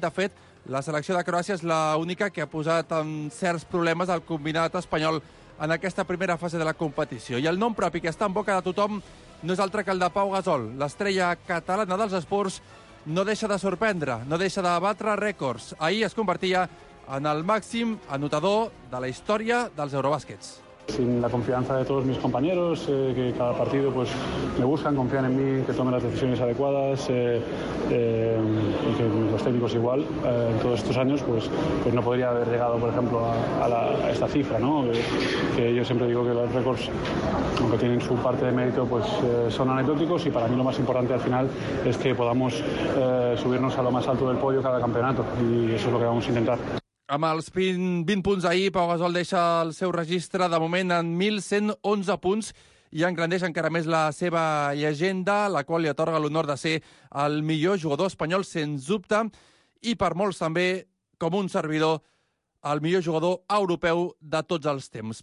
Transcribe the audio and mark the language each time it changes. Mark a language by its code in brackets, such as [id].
[ca] De fet, la selecció de Croàcia és l'única que ha posat en certs problemes el combinat espanyol en aquesta primera fase de la competició. I el nom propi que està en boca de tothom no és altre que el de Pau Gasol. L'estrella catalana dels esports no deixa de sorprendre, no deixa de batre rècords. Ahir es convertia en el màxim anotador de la història dels Eurobàsquets. [es] Sin la confianza de todos mis compañeros, que cada partido pues me buscan, confían en mí, que tomen las decisiones adecuadas, y que los técnicos igual, en todos estos años, pues no podría haber llegado, por ejemplo, a esta cifra, ¿no? Que yo siempre digo que los récords, aunque tienen su parte de mérito, pues son anecdóticos, y para mí lo más importante al final es que podamos subirnos a lo más alto del podio cada campeonato, y eso es lo que vamos a intentar. [ca] Amb els 20 punts ahir, Pau Gasol deixa el seu registre de moment en 1.111 punts i engrandeix encara més la seva llegenda, la qual li atorga l'honor de ser el millor jugador espanyol, sens dubte, i per molts també, com un servidor, el millor jugador europeu de tots els temps.